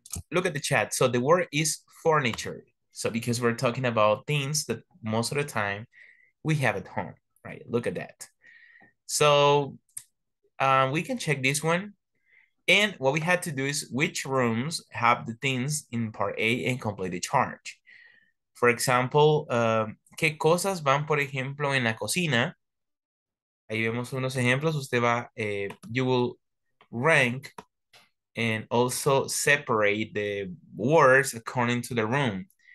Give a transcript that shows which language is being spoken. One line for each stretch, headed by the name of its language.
English: Look at the chat, so the word is furniture. So because we're talking about things that most of the time we have at home, right? Look at that. So we can check this one. And what we had to do is which rooms have the things in part A and complete the chart. For example,
Spanish: ¿qué cosas van, por ejemplo, en la cocina? Ahí vemos unos ejemplos. Usted va,
English: you will rank and also separate the words according to the room.